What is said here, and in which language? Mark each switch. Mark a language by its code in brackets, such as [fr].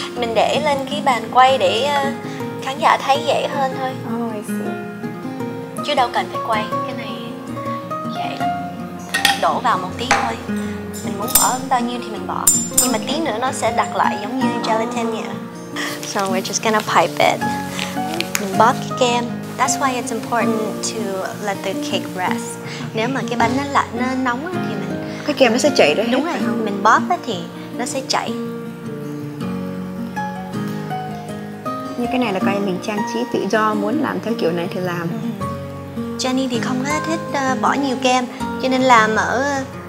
[vi] Mình để lên cái bàn quay để khán giả thấy dễ hơn thôi. [en] Oh, I see. [vi] Chứ đâu cần phải quay. Cái này dễ lắm. Đổ vào một tí thôi. Mình muốn bỏ bao nhiêu thì mình bỏ. Nhưng mà tí nữa nó sẽ đặc lại giống như gelatin vậy. [en] So we're just gonna pipe it. [vi] Mình bóp cái kem. [en] That's why it's important to let the cake rest. [vi] Nếu mà cái bánh nó lạnh, nó nóng thì mình... Cái kem nó sẽ chảy ra hết. Đúng rồi, mình bóp thì nó sẽ chảy. Như cái này là coi mình trang trí tự do, muốn làm theo kiểu này thì làm. Jenny thì không thích bỏ nhiều kem, cho nên làm ở...